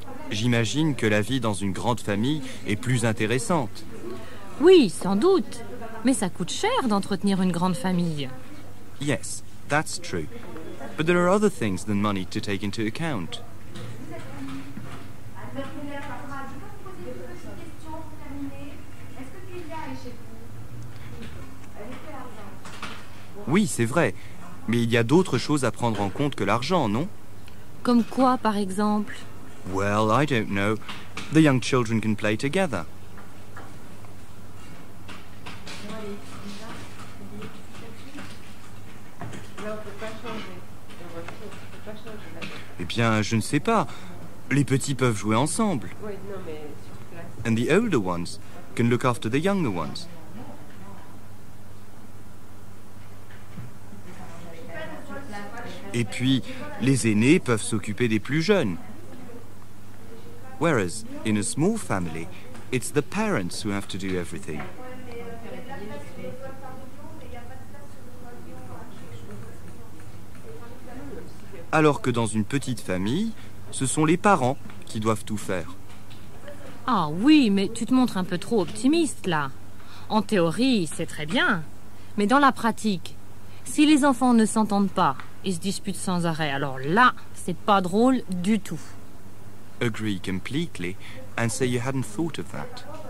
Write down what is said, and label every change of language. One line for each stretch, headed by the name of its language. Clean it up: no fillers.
French: J'imagine que la vie dans une grande famille est plus intéressante. Oui, sans doute. Mais ça coûte cher d'entretenir une grande famille.
English: Yes, that's true. But there are other things than money to take into account.
French: Oui, c'est vrai. Mais il y a d'autres choses à prendre en compte que l'argent, non? Comme quoi, par exemple?
English: Well, I don't know. The young children can play together.
French: Eh bien, je ne sais pas. Les petits peuvent jouer ensemble.
English: And the older ones can look after the younger ones.
French: Et puis, les aînés peuvent s'occuper des plus jeunes.
English: Whereas, in a small family, it's the parents who have to do everything.
French: Alors que dans une petite famille, ce sont les parents qui doivent tout faire. Ah oui, mais tu te montres un peu trop optimiste, là. En théorie, c'est très bien. Mais dans la pratique, si les enfants ne s'entendent pas et se disputent sans arrêt, alors là, c'est pas drôle du tout.
English: Agree completely, and say you hadn't thought of that.